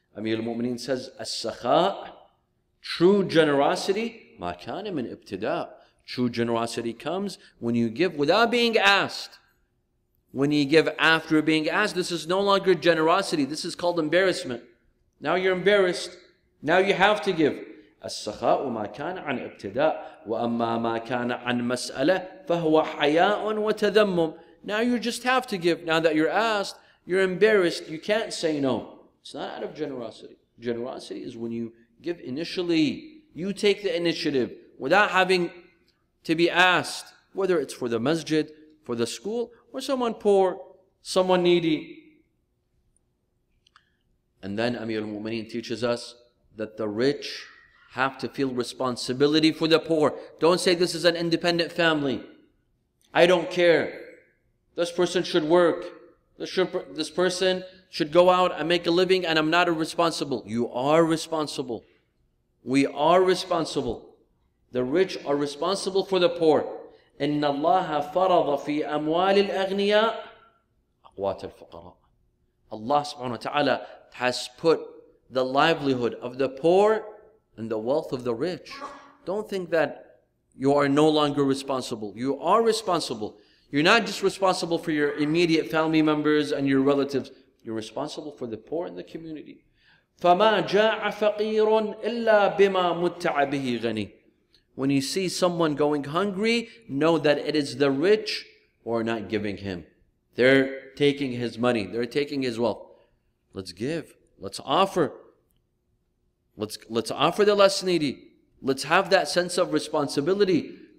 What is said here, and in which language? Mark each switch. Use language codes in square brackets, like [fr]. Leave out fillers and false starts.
[en] Amir al-Mu'mineen says, As-Sakha, true generosity, ما كان من ابتداء. True generosity comes when you give without being asked. When you give after being asked, this is no longer generosity. This is called embarrassment. Now you're embarrassed. Now you have to give. [ar] السخاء ما كان عن ابتداء وأما ما كان عن مسألة فهو حياء وتذمم. [en] Now you just have to give. Now that you're asked, you're embarrassed. You can't say no. It's not out of generosity. Generosity is when you give initially. You take the initiative without having to be asked, whether it's for the masjid, for the school, or someone poor, someone needy. And then Amir al-Mu'mineen teaches us that the rich have to feel responsibility for the poor. Don't say this is an independent family. I don't care. This person should work. This person should go out and make a living and I'm not responsible. You are responsible. We are responsible. The rich are responsible for the poor. [ar] إن الله فرض في أموال الأغنياء أقوات الفقراء. [en] Allah subhanahu wa ta'ala has put the livelihood of the poor and the wealth of the rich. Don't think that you are no longer responsible. You are responsible. You're not just responsible for your immediate family members and your relatives. You're responsible for the poor in the community. [ar] فما جاع فقير إلا بما متع به غني. [en] When you see someone going hungry, know that it is the rich who are not giving him. They're taking his money. They're taking his wealth. Let's give. Let's offer. Let's offer the less needy. Let's have that sense of responsibility.